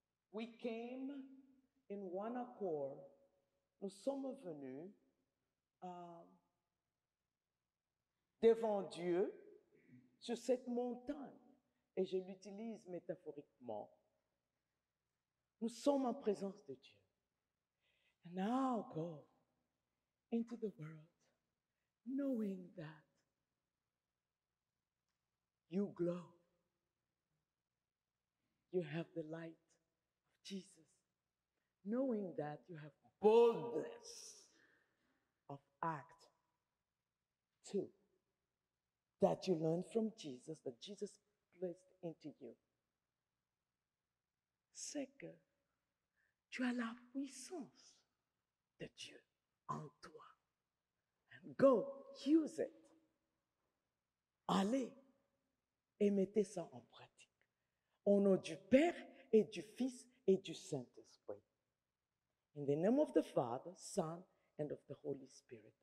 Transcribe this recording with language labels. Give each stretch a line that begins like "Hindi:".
English: We came in one accord,
French: nous sommes venus devant Dieu sur cette montagne, et je l'utilise métaphoriquement. Nous sommes en présence de Dieu.
English: And now go into the world knowing that you glow. You have the light of Jesus. Knowing that you have boldness of act. Two, that you learn from Jesus, that Jesus placed into you.
French: Second, tu as la puissance de Dieu en toi.
English: And go, use it.
French: Allez. Et mettez ça en pratique. Au nom du Père et du Fils et du Saint-Esprit.
English: In the name of the Father, Son, and of the Holy Spirit.